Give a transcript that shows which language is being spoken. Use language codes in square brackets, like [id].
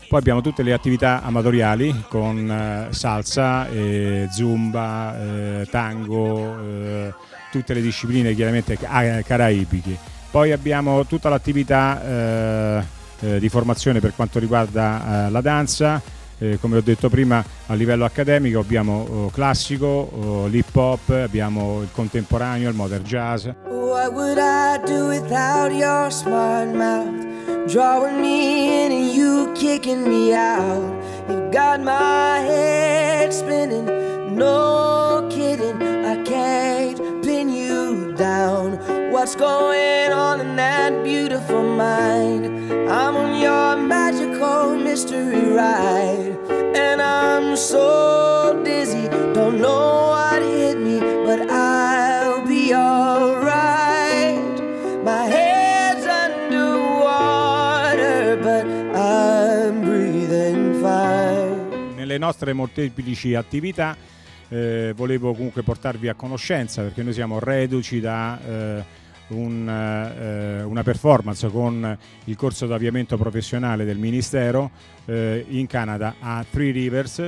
[it] Poi abbiamo tutte le attività amatoriali con salsa, zumba, tango, tutte le discipline chiaramente caraibiche. Poi abbiamo tutta l'attività di formazione per quanto riguarda la danza. Come ho detto prima, a livello accademico abbiamo classico, l'hip hop, abbiamo il contemporaneo, il modern jazz. [en] What would I do without your smart mouth? Drawing me in and you kicking me out. You've got my head spinning, no kidding, I can't pin you down. What's going on in that beautiful mind? I'm on your magical mystery ride. And I'm so dizzy, don't know what hit me, but I'll be alright. My head's underwater, but I'm breathing fine. [it] Nelle nostre molteplici attività volevo comunque portarvi a conoscenza, perché noi siamo reduci da una performance con il corso d'avviamento professionale del Ministero in Canada a Three Rivers.